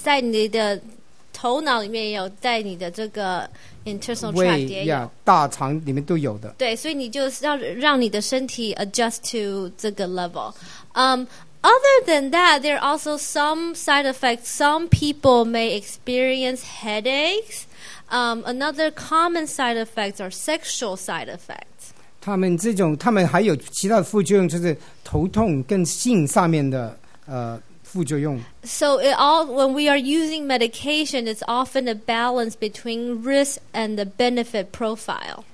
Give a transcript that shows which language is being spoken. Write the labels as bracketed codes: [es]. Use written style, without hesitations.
[zh] 它这种副作用通常一个月之后就会没有，是因为它抑制了你的头里面的东西，也可以抑制你的胃啊，你的大肠里面的东西。就它这个神经传导物质在你的头脑里面也有，在你的这个 [en] internal tract [zh] 里面都有的。对，所以你就要让你的身体 [en] adjust to [zh] 这个 [en] level. Other than that, there are also some side effects. Some people may experience headaches. Another common side effects are sexual side effects. [zh] 他们还有其他的副作用，就是头痛跟性上面的副作用。 [en] So it all, when we are using medication, it's often a balance between risk and the benefit profile.